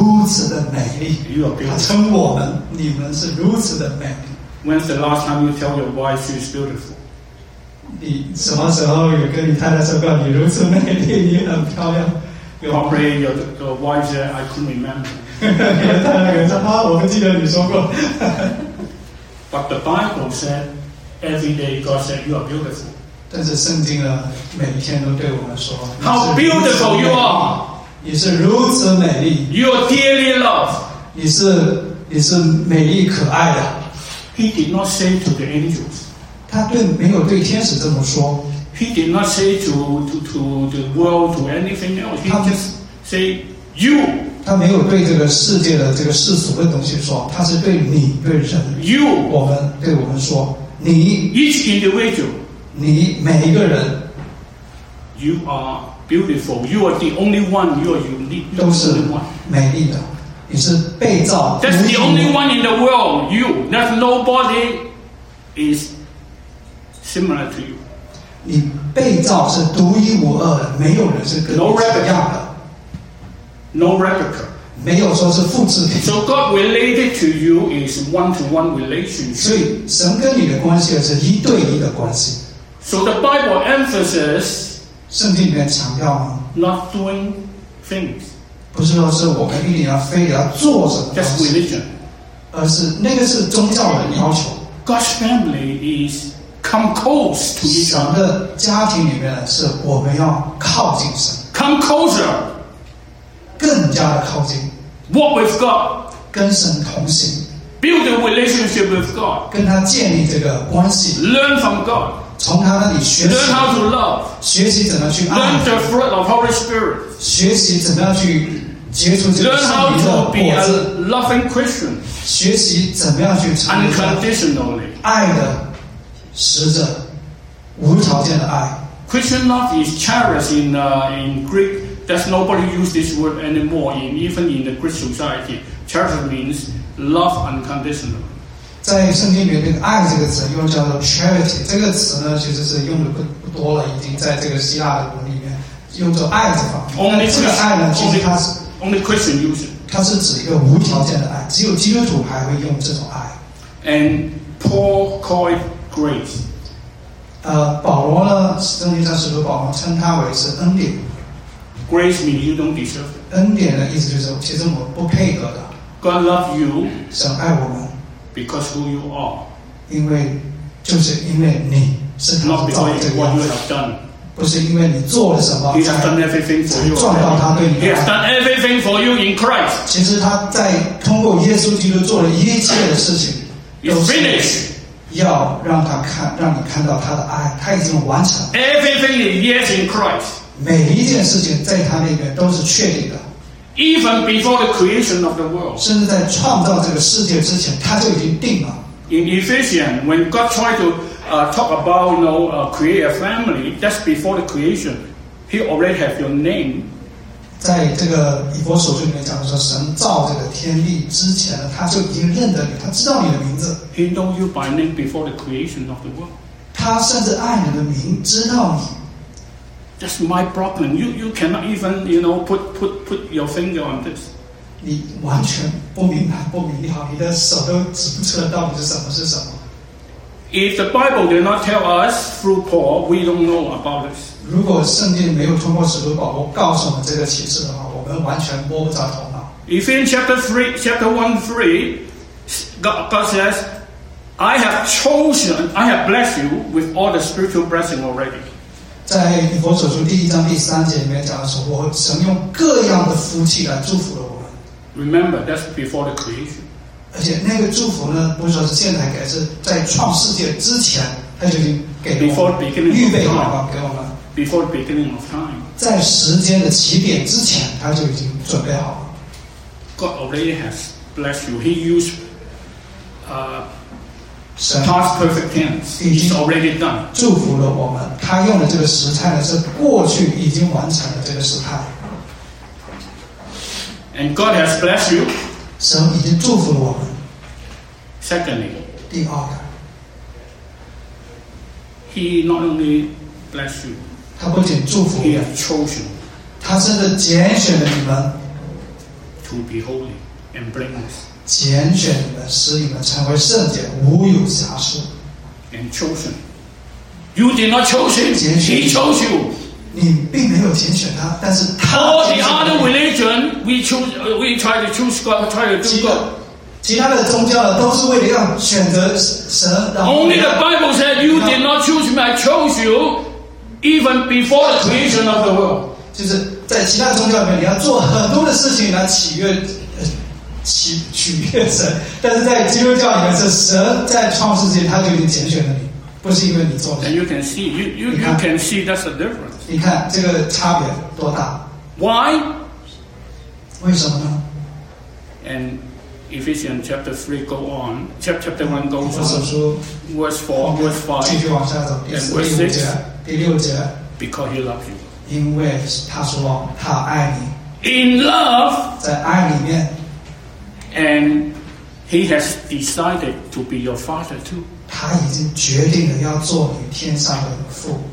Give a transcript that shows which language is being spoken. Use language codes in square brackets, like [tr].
[zh] 这个在雅歌里面呢，他用的这个词说是你是如此的美丽。 [en] You [zh] 他称我们，你们是如此的美丽。 [en] When's the last time you tell your wife she is beautiful? [zh] 你什么时候有跟你太太说过你如此美丽，你很漂亮？ [en] Probably your wife said, I couldn't remember. [zh] 你的太太说，我不记得你说过。 [en] But the Bible said, every day God said, you are beautiful. [zh] 但是圣经呢，每天都对我们说， [en] How beautiful you are! [zh] 你是如此美丽。 [en] You are dearly loved. [zh] 你是美丽可爱的。 [en] He did not say to the angels. [zh] 他没有对天使这么说。 [en] He did not say to the world, to anything else. He just say, you [zh] 他没有对这个世界的这个世俗的东西说，他是对你，对人， [en] you, [zh] 我们对我们说，你 [en] each individual, [zh] 你每一个人 [en] you are beautiful, you are the only one, you are unique, [zh] 都是美丽的，你是被造。 [en] That's the only one in the world, you, that nobody is similar to you. [zh] 你被造是独一无二的，没有人是跟你一样的。 [en] No replica. [zh] 没有说是复制品。 [en] So God related to you is one-to-one relationship. [zh] 所以神跟你的关系是一对一的关系。 [en] So the Bible emphasizes [zh] 圣经里面强调吗？ [en] Not doing things. [zh] 不是说是我们一定要非得要做什么。 [en] That's religion. [zh] 而是那个是宗教的要求。 [en] God's family is come close to each other. [zh] 神的家庭里面是我们要靠近神。 [en] Come closer. [zh] 更加的靠近 [en] Walk with God [zh] 跟神同行 [en] Build a relationship with God [zh] 跟他建立这个关系 [en] Learn from God [zh] 从他那里学习 [en] Learn how to love [zh] 学习怎么去爱 [en] Learn the fruit of Holy Spirit [zh] 学习怎么去结出这个圣灵的果子 [en] Learn how to be a loving Christian [zh] 学习怎么样去成为 [en] Unconditionally [zh] 爱的使者无条件的爱 [en] Christian love is cherished in GreekThat's nobody use this word anymore in, even in the Christian society. Charity means love unconditional. [zh] 在圣经里面，这个爱这个词又叫做 charity。这个词呢，其实是用的不多了，已经在这个希腊的文里面用作爱这方面。 [en] Only [zh] 这个爱呢，其实它是 [en] only Christian use it. [zh] 它是指一个无条件的爱，只有基督徒还会用这种爱。 [en] And Paul called it grace. [zh] 保罗呢，圣经上使徒保罗称它为是恩典。 [en] Grace means you don't deserve it. [zh] 恩典的意思就是，其实我不配合的。 [en] God love you. [zh] 神爱我们。 [en] Because who you are. [zh] 因为就是因为你是他造的这个样子。 [en] Not because what you have done. [zh] 不是因为你做了什么。 [en] He has done everything for you. [zh] 赚到他对你。 [en] He has done everything for you in Christ. [zh] 其实他在通过耶稣基督做了一切的事情。 [en] It's finished. [zh] 要让他看，让你看到他的爱，他已经完成。 [en] Everything is yes in Christ. [zh] 每一件事情在他那边都是确定的 [en] Even before the creation of the world [zh] 甚至在创造这个世界之前他就已经定了 [en] In Ephesians When God tried to talk about create a family That's before the creation He already have your name [zh] 在这个以弗所书里面讲说神造这个天地之前他就已经认得你他知道你的名字 [en] He know you by name before the creation of the world [zh] 他甚至爱你的名知道你 [en] That's my problem. You cannot even, put your finger on this. [zh] 你完全不明白不明了，你的手都指不出到底是什么是什么。 [en] If the Bible did not tell us through Paul, we don't know about this. [zh] 如果圣经没有通过使徒保罗告诉我们这个启示的话，我们完全摸不着头脑。 [en] Ephesians chapter 1:3, God says, I have chosen, I have blessed you with all the spiritual blessing already. [zh] 在以弗所书第一章第三节里面讲的时候，神用各样的福气来祝福了我们。 [en] Remember, that's before the creation. [zh] 而且那个祝福呢，不是说是现在给，是在创世界之前，他就已经给我们 [en] before the beginning [zh] 预备好了给我们。 [en] Before the beginning of time. [zh] 在时间的起点之前，他就已经准备好了。 [en] God already has blessed you. He used past perfect tense is already done. [zh] 祝福了我们，他用的这个时态呢，是过去已经完成的这个时态。 [en] And God has blessed you. [zh] 神已经祝福了我们。 [en] Secondly, [zh] 第二个 [en] ，He not only bless you. [zh] 他不仅祝福 [en] ，He has chosen. [zh] 他真的拣选了你们 [en] ，to be holy and blameless. [zh] 拣选你们，使你们成为圣洁，无有瑕疵。 [en] And chosen, you did not chosen. He chose you. [zh] 你并没有拣选他，但是他。 [en] All the other religion, we try to choose God, try to do God. [zh] 其他的宗教都是为了要选择神。 [en] Only the Bible said you did not choose me. I chose you, even before the creation of the world. [zh] 就是在其他宗教里面，你要做很多的事情来祈愿。取悦神，但是在基督教里面是神在创世纪他就已经拣选了你，不是因为你做的。 [en] And you can see, you can see that's the difference. [zh] 你看这个差别多大 [en] ？Why？ [zh] 为什么呢 [en] And Ephesians chapter 3 go on, chapter 1 go on, verse 4, verse 5, [zh] 继续往下走, [en] and verse 6, [zh] 第六节, [en] because he loves you. [zh] 因为他说他爱你, [en] in love, [zh] 在爱里面, [en] and he has decided to be your father too. [zh] 他已经决定了要做你天上的父。